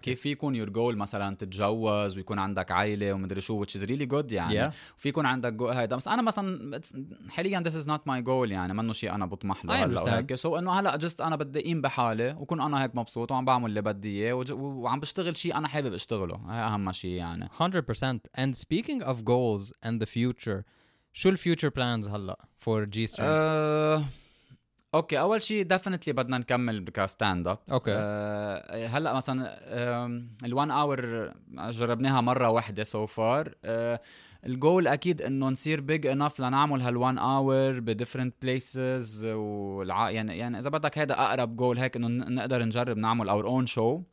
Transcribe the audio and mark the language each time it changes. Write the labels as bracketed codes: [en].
[ar] كيف يكون your goal مثلا تتجوز ويكون عندك عائلة ومدري شو which is really good يعني [en] yeah. [ar] فيكون عندك هيدا بس انا مثلا حاليا this is not my goal يعني منو شيء انا بطمح له هلا وهيك so انه هلا just انا بدي اقيم بحالي وكون انا هيك مبسوط وعم بعمل اللي بدي اياه وعم بشتغل شيء انا حابب اشتغله هي اهم شيء يعني [en] 100% And speaking of goals and the future, شو future plans هلا for G-Strings? [ar] Okay, أول شيء definitely بدنا نكمل كستاند أب. [en] Okay. [ar] هلا مثلاً ال one hour جربناها مرة واحدة so far. الجول أكيد إنه نصير big enough لنعمل هال one hour ب different places يعني إذا بدك هذا أقرب جول هيك إنه نقدر نجرب نعمل our own show.